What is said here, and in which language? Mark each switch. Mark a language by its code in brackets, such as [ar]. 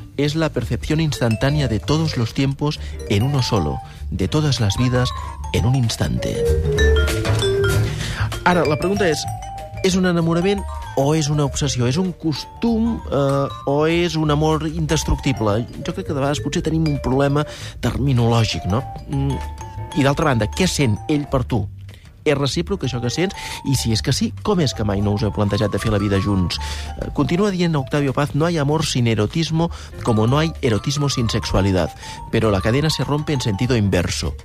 [es] Es la percepción instantánea de todos los tiempos en uno solo, de todas las vidas en un instante. [ca] Ara, la pregunta és un enamorament o és una obsessió? És un costum o és un amor indestructible? Jo crec que de vegades potser tenim un problema terminològic, no? I d'altra banda, què sent ell per tu? És recíproc això que sents? I si és que sí, com és que mai no us heu plantejat de fer la vida junts? Continua dient Octavio Paz: [es] No hay amor sin erotismo como no hay erotismo sin sexualidad. Pero la cadena se rompe en sentido inverso.